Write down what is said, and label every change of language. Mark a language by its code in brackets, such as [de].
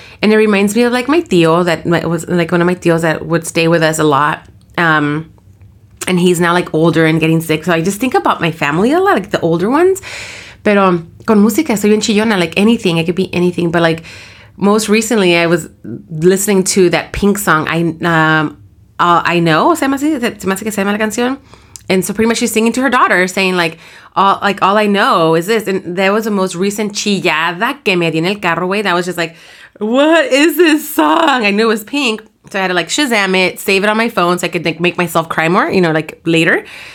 [en] And it reminds me of, like, my tío that was, like, one of my tíos that would stay with us a lot. And he's now, like, older and getting sick. So I just think about my family a lot, like, the older ones. [es] Pero con música, soy bien chillona, [en] like, anything. It could be anything. But, like, most recently, I was listening to that Pink song. I know, [es] se me hace que se llama la canción. [en] And so pretty much she's singing to her daughter, saying, like, all I know is this. And that was the most recent [es] chillada que me di en el carro, güey. [en] That was just, like, what is this song? I knew it was Pink, so I had to like Shazam it, save it on my phone so I could like make myself cry more, you know, like later.